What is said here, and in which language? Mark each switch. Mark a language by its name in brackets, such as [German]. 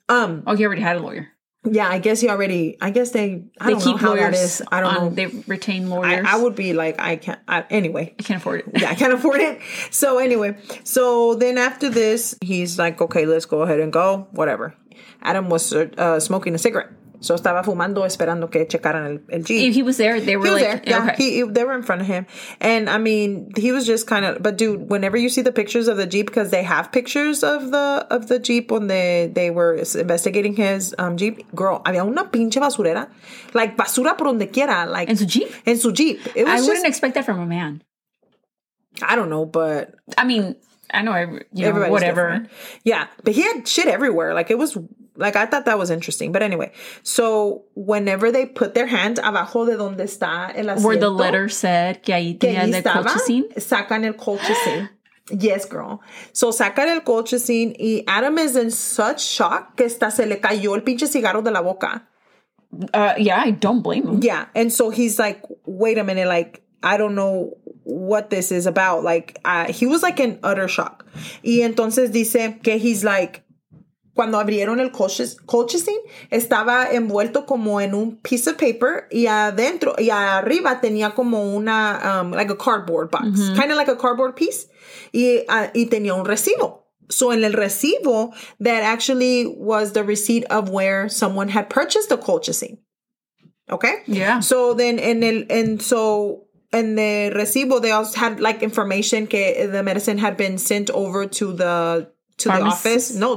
[English] Oh, he already had a lawyer. Yeah, I guess they retain lawyers. I would be like, I can't afford it. Yeah, I can't afford it. So anyway, so then after this, he's like, okay, let's go ahead and go, whatever. Adam was smoking a cigarette. [Spanish] So estaba fumando esperando que checaran el Jeep. [English] He was there. They were like, They were in front of him. And I mean, he was just kind of, but dude, whenever you see the pictures of the Jeep, because they have pictures of the Jeep when they were investigating his Jeep, girl, [Spanish] había una pinche basurera. Like basura por donde quiera. Like, En su Jeep. [English] I wouldn't expect that from a man. I don't know, but. I mean, I know, everybody's whatever. Different. Yeah, but he had shit everywhere. Like it was. Like, I thought that was interesting. But anyway, so whenever they put their hands [Spanish] abajo de donde está el asiento. [English] Where the letter said [Spanish] que ahí tenían el [English] colchicine. [Spanish] Sacan el colchicine. [English] Yes, girl. [Spanish] So sacan el colchicine y Adam [English] is in such shock [Spanish] que hasta se le cayó el pinche cigarro de la boca. [English] I don't blame him. Yeah. And so he's like, wait a minute, like, I don't know what this is about. Like, he was like in utter shock. [Spanish] Y entonces dice que [English] he's like, [Spanish] cuando abrieron el colchicine, estaba envuelto como en un [English] piece of paper [Spanish] y adentro y arriba tenía como una, [English] like a cardboard box, [Spanish] mm-hmm. [English] kind of like a cardboard piece, [Spanish] y tenía un recibo. [English] So [Spanish] en el recibo, [English] that actually was the receipt of where someone had purchased the colchicine. Okay? Yeah. So then in the recibo, they also had like information que the medicine had been sent over to the office.